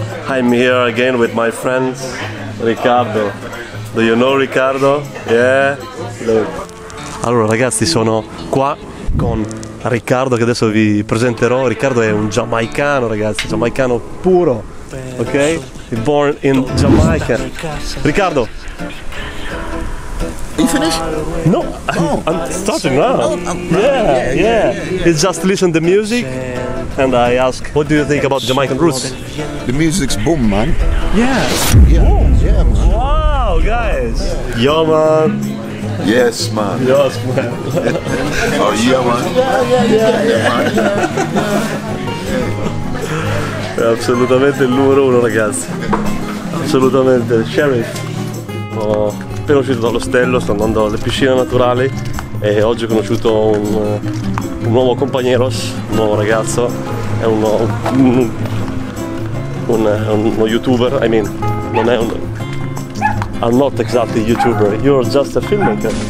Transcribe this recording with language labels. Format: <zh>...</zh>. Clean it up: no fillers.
<en>I'm here again with my friend Riccardo. Do you know Riccardo? Yeah? Look.</en> <it>Allora ragazzi, sono qua con Riccardo che adesso vi presenterò. Riccardo è un giamaicano, ragazzi, giamaicano puro.</it> <en>Ok? Born in Jamaica. Riccardo! Are you finished? No, I'm starting now. Yeah. It's just listen the music. And I ask, what do you think about Jamaican roots? The music's boom, man. Yeah. Wow, guys. Yo, man. Yes, man. Oh, yeah, man. Yeah, man.</en> <it>È assolutamente il numero uno, ragazzi. Assolutamente, Sheriff. Sono appena uscito dall'ostello, sto andando alle piscine naturali e oggi ho conosciuto un nuovo compagnero, un nuovo ragazzo. È uno youtuber,</it> <en>I mean,</en> <it>non è un...</it> <en>I'm not exactly youtuber, you're just a filmmaker.</en>